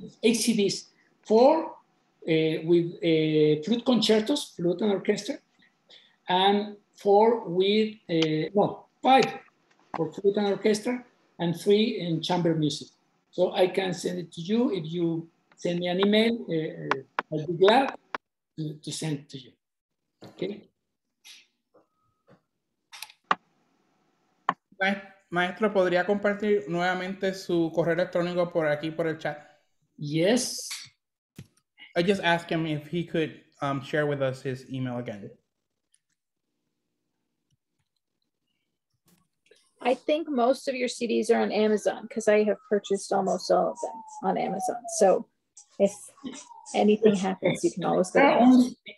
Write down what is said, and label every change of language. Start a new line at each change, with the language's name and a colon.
English: Eight CDs, four with flute concertos, flute and orchestra, and four with, five for flute and orchestra, and three in chamber music. So I can send it to you. If you send me an email, I'll be glad to send it to you, okay?
Spanish: Maestro, ¿podría compartir nuevamente su correo electrónico por aquí, por el chat?
English: Yes. I just asked him if he could share with us his email again. I think most of your CDs are on Amazon because I have purchased almost all of them on Amazon. So if anything happens, you can always go there.